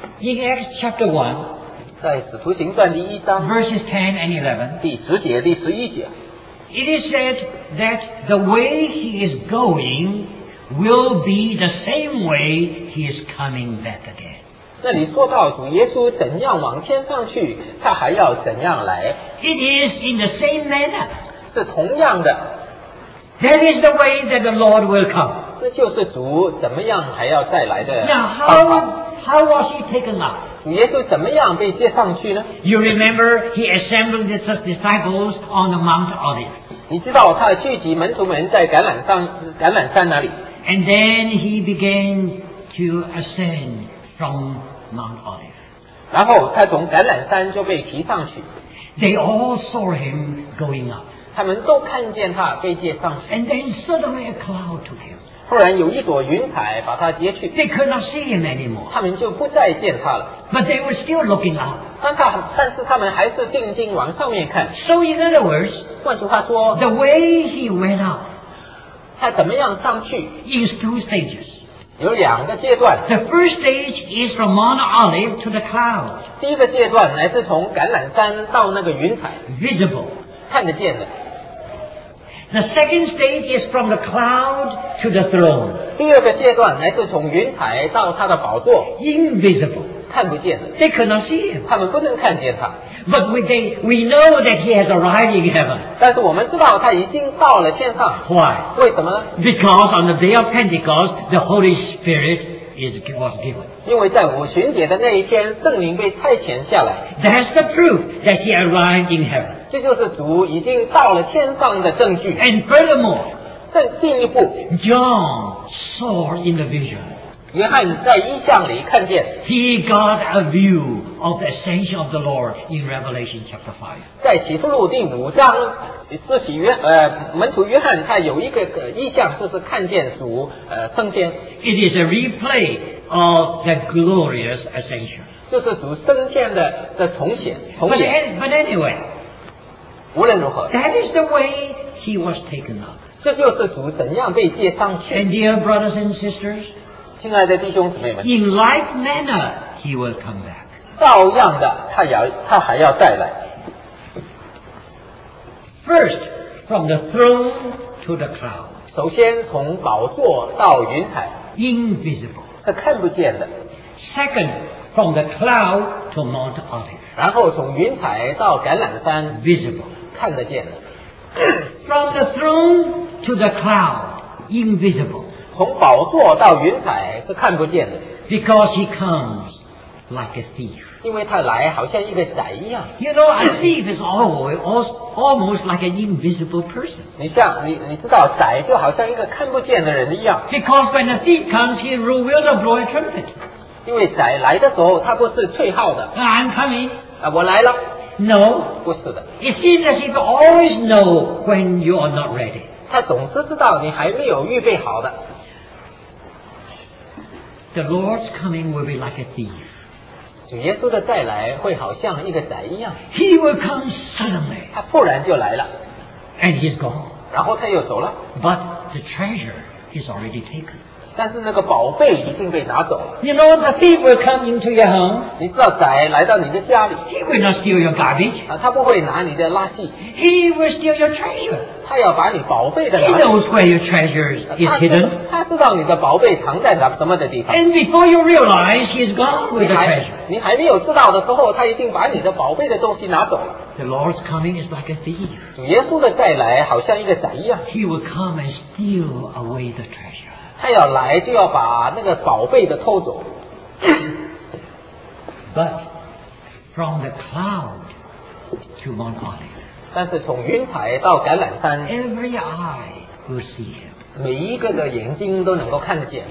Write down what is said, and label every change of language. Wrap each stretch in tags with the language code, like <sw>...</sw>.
<en>In Acts chapter 1,</en> <zh>在使徒行传第一章,</zh> <en>verses 10 and 11,</en> <zh>第十节, 第十一节。</zh> <en>It is said that the way he is going will be the same way he is coming back again.</en> <zh>那你说到主耶稣怎样往天上去，他还要怎样来？</zh> <en>It is in the same manner.</en> <zh>是同样的。</zh> <en>That is the way that the Lord will come.</en> <zh>这就是主怎么样还要再来的。</zh> <en>Now how was he taken up?</en> <zh>耶稣怎么样被接上去呢</zh> <en>？You remember he assembled his disciples on the Mount Olives.</en> <zh>你知道他聚集门徒们在橄榄山那里。</zh> <en>And then he began to ascend from Mount Olives.</en> <zh>然后他从橄榄山就被提上去。</zh> <en>They all saw him going up.</en> <zh>他们都看见他被接上去。</zh> <en>And then suddenly a cloud took him.</en> <zh>突然有一朵云彩把他接去。</zh> <en>They could not see him anymore.</en> <zh>他们就不再见他了。</zh> <en>But they were still looking up.</en> <zh>但是他们还是定睛往上面看。</zh> <en>So in other words,</en> <zh>换句话说,</zh> <en>the way he went up,</en> <zh>他怎么样上去?</zh> <en>Is two stages.</en> <zh>有两个阶段。</zh> <en>The first stage is from Mount Olive to the cloud.</en> <zh>第一个阶段乃是从橄榄山到那个云彩。</zh> <en>Visible.</en> <zh>看得见的。</zh> <en>The second stage is from the cloud to the throne.</en> <zh>第二个阶段乃是从云彩到他的宝座。</zh> <en>Invisible.</en> <zh>看不见的</zh> <en>They could not see him.</en> <zh>他们不能看见他</zh> <en>But we know that he has arrived in heaven.</en> <zh>但是我们知道他已经到了天上</zh> <en>Why?</en> <zh>为什么呢</zh> <en>Because on the day of Pentecost, the Holy Spirit was given.</en> <zh>因为在五旬节的那一天圣灵被差遣下来</zh> <en>That's the proof that he arrived in heaven.</en> <zh>这就是主已经到了天上的证据</zh> <en>And furthermore,</en> <zh>再进一步</zh> <en>John saw in the vision.</en> <zh>约翰在异象里看见</zh> <en>He got a view of the ascension of the Lord in Revelation chapter 5.</en> <zh>在启示录第五章使徒门徒约翰他有一个异象就是看见主升天</zh> <en>It is a replay of the glorious ascension.</en> <zh>就是主升天 的重显</zh> <en>But anyway,</en> <zh>无论如何</zh> <en>That is the way he was taken up.</en> <zh>这就是主怎样被接上去</zh> <en>And dear brothers and sisters,</en> <zh>亲爱的弟兄姊妹们</zh> <en>In like manner, he will come back.</en> <zh>照样的他还要再来。</zh> <en>First, from the throne to the cloud.</en> <zh>首先从宝座到云彩。</zh> <en>Invisible.</en> <zh>是看不见的。</zh> <en>Second, from the cloud to Mount Olive.</en> <zh>然后从云彩到橄榄山。</zh> <en>Visible.</en> <zh>看得见的。</zh> <en>From the throne to the cloud, invisible.</en> <zh>从宝座到云彩是看不见的</zh> <en>Because he comes like a thief.</en> <zh>因为他来好像一个贼一样</zh> <en>You know, a thief is almost like an invisible person.</en> <zh>你知道贼就好像一个看不见的人一样</zh> <en>Because when a thief comes, he will not blow a trumpet.</en> <zh>因为贼来的时候他不是吹号的</zh> <en>I'm coming.</en> <zh>啊，我来了。</zh> <en>No，</en> <zh>不是的。</zh> <en>It seems as if you always know when you are not ready。</en> <zh>他总是知道你还没有预备好的。</zh> <en>The Lord's coming will be like a thief。</en> <zh>主耶稣的再来会好像一个贼一样。</zh> <en>He will come suddenly。</en> <zh>他突然就来了。</zh> <en>And he's gone。</en> <zh>然后他又走了。</zh> <en>But the treasure is already taken。</en> <zh>但是那个宝贝已经被拿走了。</zh> <en>You know the thief will come into your home。</en> <zh>你知道贼来到你的家里。</zh> <en>He will not steal your garbage。</en> <zh>啊，他不会拿你的垃圾。</zh> <en>He will steal your treasure。</en> <zh>他要把你宝贝的。</zh> <en>He knows where your treasure is hidden。</en> <zh>他知道你的宝贝藏在哪什么的地方。</zh> <en>And before you realize, he's gone with the treasure。</en> <zh>你还没有知道的时候，他已经把你的宝贝的东西拿走了。</zh> <en>The Lord's coming is like a thief。</en> <zh>主耶稣的再来好像一个贼一样。</zh> <en>He will come and steal away the treasure。</en> <zh>他要来就要把那个宝贝的偷走。</zh> <en>But from the cloud to Mount Olive，</en> <zh>但是从云彩到橄榄山</zh> <en>，Every eye will see him，</en> <zh>每一个的眼睛都能够看见。</zh>